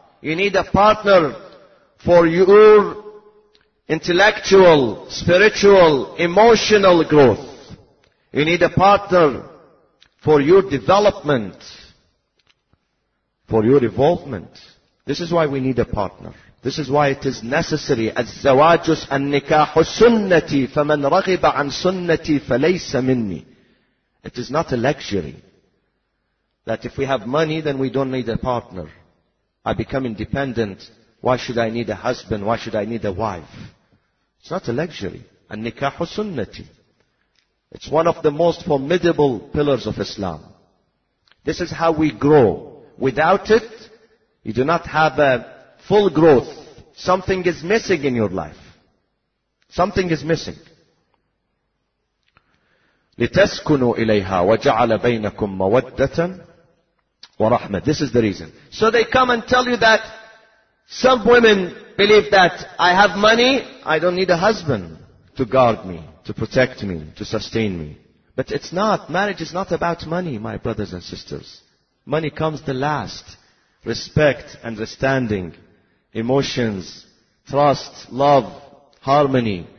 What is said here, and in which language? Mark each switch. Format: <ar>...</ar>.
<en>You need a partner for your intellectual, spiritual, emotional growth. You need a partner for your development, for your evolvement. This is why we need a partner. This is why it is necessary.</en> <ar>الزواج النكاح سنتي فمن رغب عن سنتي فليس مني.</ar> <en>It is not a luxury. That if we have money, then we don't need a partner. I become independent. Why should I need a husband? Why should I need a wife? It's not a luxury.</en> <ar>النكاح سنتي.</ar> <en>It's one of the most formidable pillars of Islam. This is how we grow. Without it, you do not have a full growth. Something is missing in your life. Something is missing.</en> <ar>لِتَسْكُنُوا إِلَيْهَا وَجَعَلَ بَيْنَكُمْ مَوَدَّةً وَرَحْمَةً</ar> <en>This is the reason. So they come and tell you that some women believe that I have money, I don't need a husband to guard me, to protect me, to sustain me. But it's not. Marriage is not about money, my brothers and sisters. Money comes the last. Respect, understanding, emotions, trust, love, harmony.</en>